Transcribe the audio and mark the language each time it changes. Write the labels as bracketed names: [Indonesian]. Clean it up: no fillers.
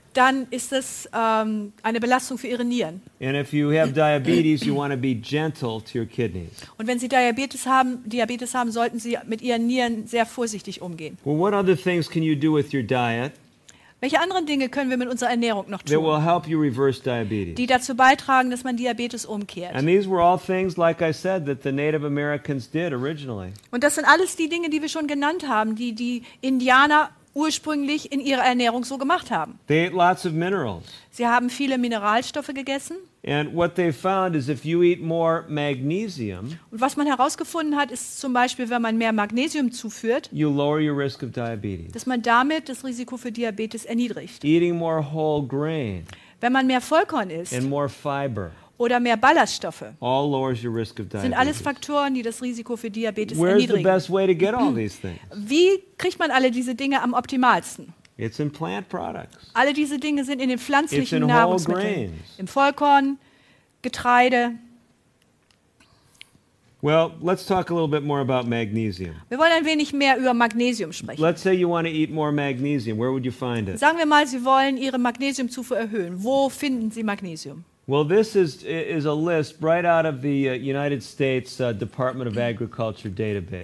[German] Dann ist es eine Belastung für Ihre Nieren. [English] And if you have diabetes, you want to be gentle to your kidneys. [German] Und wenn Sie Diabetes haben, sollten Sie mit Ihren Nieren sehr vorsichtig umgehen. [English] Well, what other things can you do with your diet? [German] Welche anderen Dinge können wir mit unserer Ernährung noch tun? [English] That will help you reverse diabetes. [German] Die dazu beitragen, dass man Diabetes umkehrt. [English] And these were all things, like I said, that the Native Americans did originally. [German] Und das sind alles die Dinge, die wir schon genannt haben, die Indianer ursprünglich in ihrer Ernährung so gemacht haben. [English] They ate lots of minerals. [German] Sie haben viele Mineralstoffe gegessen. [English] And what they found is if you eat more magnesium, [German] und was man herausgefunden hat, ist zum Beispiel, wenn man mehr Magnesium zuführt, [English] you lower your risk of diabetes. [German] Dass man damit das Risiko für Diabetes erniedrigt. [English] Eating more whole grain, [German] wenn man mehr Vollkorn isst, [English] and more fiber, [German] oder mehr Ballaststoffe, [English] all lowers your risk of diabetes. [German] Sind alles Faktoren, die das Risiko für Diabetes [English] Where's [German] erniedrigen. [English] The best way to get all these things? [German] Wie kriegt man alle diese Dinge am optimalsten? [English] It's in plant products. [German] Alle diese Dinge sind in den pflanzlichen [English] It's in [German] Nahrungsmitteln. [English] Whole grains. [German] Im Vollkorn, Getreide. [English] Well, let's talk a little bit more about magnesium. [German] Wir wollen ein wenig mehr über Magnesium sprechen. [English] Let's say you want to eat more magnesium. Where would you find it? [German] Sagen wir mal, Sie wollen Ihre Magnesiumzufuhr erhöhen. Wo finden Sie Magnesium? [English] Well, this is a list right out of the United States Department of Agriculture database.